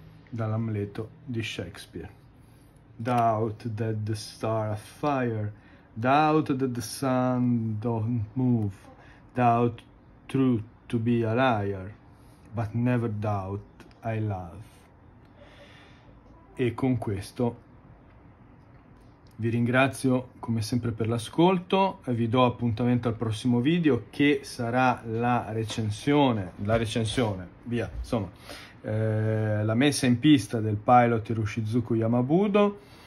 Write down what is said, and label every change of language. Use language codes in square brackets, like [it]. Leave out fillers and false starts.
[it] Dall'Amleto di Shakespeare. [en] Doubt that the star afire. Doubt that the sun don't move, doubt truth to be a liar, but never doubt I love. [it] E con questo Vi ringrazio come sempre per l'ascolto e vi do appuntamento al prossimo video che sarà la recensione, via, insomma, la messa in pista del pilot Hiroshizuku Yamabudo.